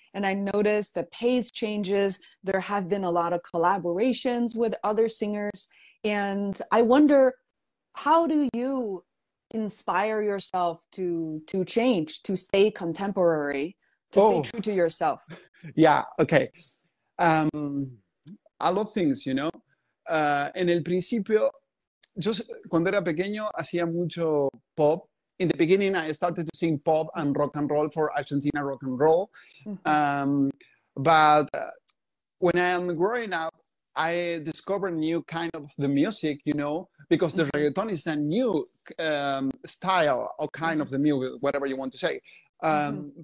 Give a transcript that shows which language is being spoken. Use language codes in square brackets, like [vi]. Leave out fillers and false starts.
[en] And I noticed the pace changes. There have been a lot of collaborations with other singers. And I wonder, how do you inspire yourself to change, to stay contemporary, to stay true to yourself? Yeah, okay. A lot of things, you know. [es] En el principio, yo cuando era pequeño hacía mucho pop. [en] In the beginning, I started to sing pop and rock and roll for Argentina rock and roll. Mm-hmm. But when I am growing up, I discovered new kind of the music, you know, because the mm-hmm. reggaeton is a new style or kind of the music, whatever you want to say. Mm-hmm.